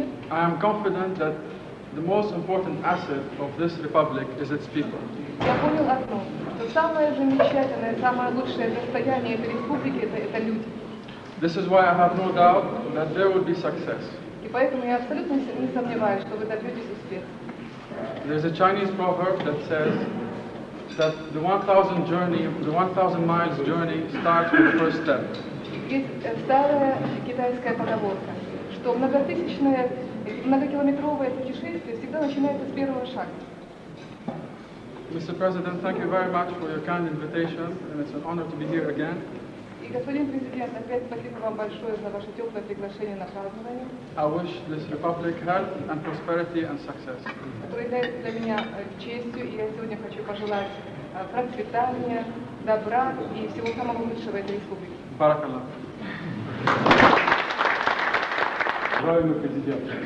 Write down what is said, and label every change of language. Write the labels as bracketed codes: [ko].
[en] I am confident that the most important asset of this republic is its people. [ru] Я понял одно, что самое замечательное, самое лучшее достояние этой республики это люди. [en] This is why I have no doubt that there will be success. [ru] И поэтому я абсолютно не сомневаюсь, что вы добьетесь успеха. [en] There is a Chinese proverb that says that the 1,000 journey, the 1,000 miles journey starts with the first step. [ru] Есть старая китайская поговорка, что многотысячное, многокилометровое путешествие всегда начинается с первого шага. [en] Mr. President, thank you very much for your kind invitation, and it's an honor to be here again. [ru] И господин президент, опять спасибо вам большое за ваше теплое приглашение на празднование. [en] I wish this republic health and prosperity and success. [ru] Которое является для меня честью, и я сегодня хочу пожелать процветания, добра и всего самого лучшего этой республике. [ar] Баракаллах. [ru] Уважаемый президент.